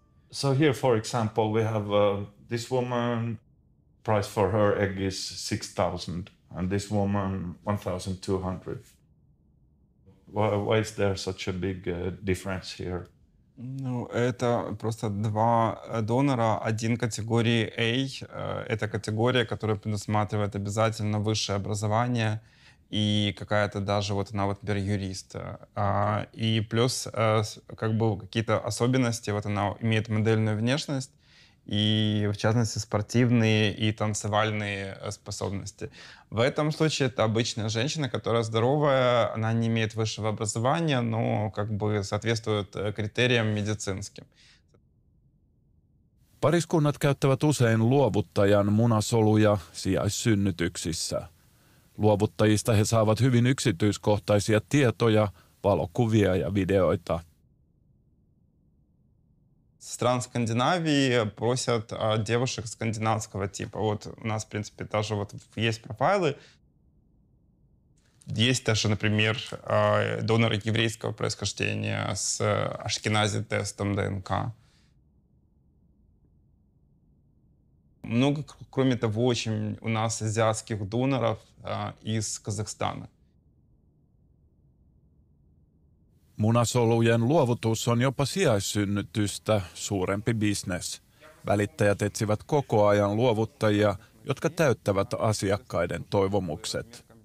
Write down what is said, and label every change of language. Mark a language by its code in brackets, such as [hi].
[en] So here for example we have this woman, price for her egg is 6000 and this woman 1200. Why is there such a big difference here? [ru] Ну, это просто два донора, один категории A, это категория, которая предусматривает обязательно высшее образование и какая-то даже вот она вот например, юрист. И плюс как бы какие-то особенности, вот она имеет модельную внешность и в частности спортивные и танцевальные способности. В этом случае это обычная женщина, которая здоровая, она не имеет высшего образования, но как бы соответствует критериям медицинским. [fi] Париskunnat käyttävät usein luovuttajan munasoluja sijaissynnytyksissä. Luovuttajista he saavat hyvin yksityiskohtaisia tietoja, valokuvia ja videoita. [ru] Стран Скандинавии просят девушек скандинавского типа. Вот у нас, в принципе, даже вот есть профайлы. Есть даже, например, донор еврейского происхождения с ашкенази-тестом ДНК. Много, кроме того, очень у нас азиатских доноров из Казахстана. [fi] Munasolujen luovutus on jopa sijaissynnytystä suurempi bisnes. Välittäjät etsivät koko ajan luovuttajia, jotka täyttävät asiakkaiden toivomukset.